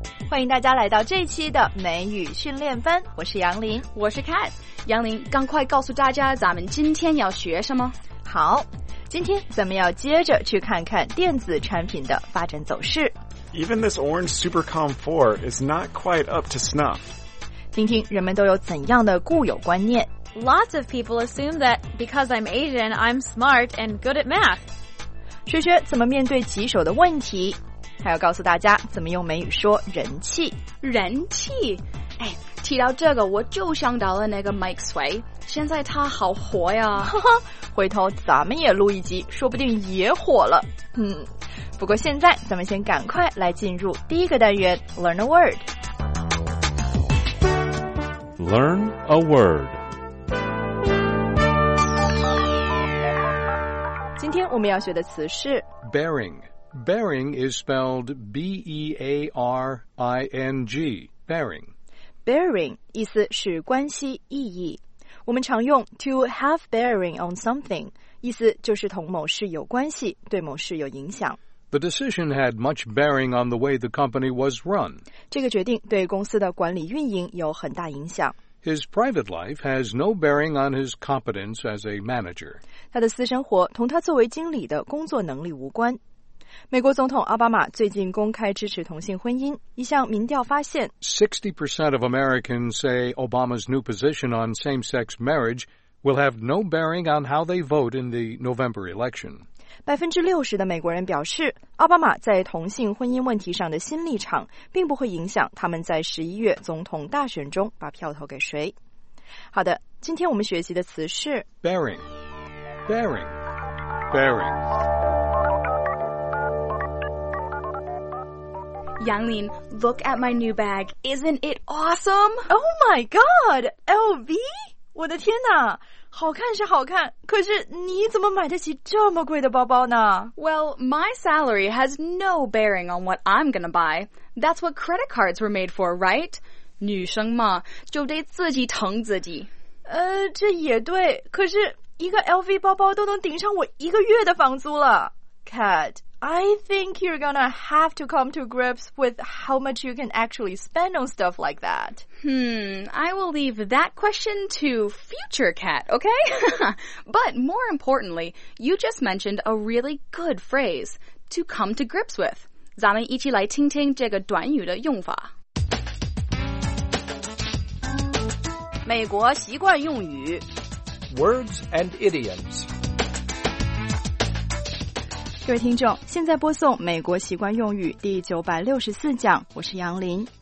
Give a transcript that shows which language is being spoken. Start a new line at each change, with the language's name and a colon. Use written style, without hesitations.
Chinese: 欢迎大家来到这一期的美语训练班，我是杨林，我是 Kat。杨林，赶快告诉大家咱们今天要学什么。好，今天咱们要接着去看看电子产品的发展走势。
English: Even this orange Supercom 4 is not quite up to snuff.
Chinese: 听听人们都有怎样的固有观念。
English: Lots of people assume that because I'm Asian, I'm smart and good at math.
Chinese: 学学怎么面对棘手的问题，还要告诉大家怎么用美语说人气。人气？哎，提到这个我就想到了那个 Mike Sway, 现在他好火呀。呵呵，回头咱们也录一集，说不定也火了。不过现在咱们先赶快来进入第一个单元 Learn a Word。
English: Learn a Word。
Chinese: 今天我们要学的词是
English: Bearing。 Bearing is spelled B-E-A-R-I-N-G, Bearing.
Chinese: Bearing 意思是关系意义，我们常用
English: to have bearing on something,
Chinese: 意思就是同某事有关系，对某事有影响。
English: The decision had much bearing on the way the company was run.
Chinese: 这个决定对公司的管理运营有很大影响。
English: His private life has no bearing on his competence as a manager.
Chinese: 他的私生活同他作为经理的工作能力无关。美国总统奥巴马最近公开支持同性婚姻，一项民调发现
English: 60% of Americans say Obama's new position on same-sex marriage will have no bearing on how they vote in the November election.
Chinese: 60% 的美国人表示，奥巴马在同性婚姻问题上的新立场并不会影响他们在11月总统大选中把票投给谁。好的，今天我们学习的词是
English: bearing, bearing, bearing。 Yanglin, look at my new bag. Isn't it awesome? Oh my god! LV?
Chinese: 我的天哪，好看是好看，可是你怎么买得起这么贵的包包呢？
English: Well, my salary has no bearing on what I'm gonna buy. That's what credit cards were made for, right?
Chinese: 女生嘛，就得自己疼自己。这也对，可是一个 LV 包包都能顶上我一个月的房租了。
English: Cat,I think you're gonna have to come to grips with how much you can actually spend on stuff like that. I will leave that question to future Kat, okay? But more importantly, you just mentioned a really good phrase, to come to grips with.
Chinese: 咱们一起来听听这个短语的用法。美国习惯用语。
English: Words and idioms.
Chinese: 各位听众，现在播送美国习惯用语第964讲，我是杨林。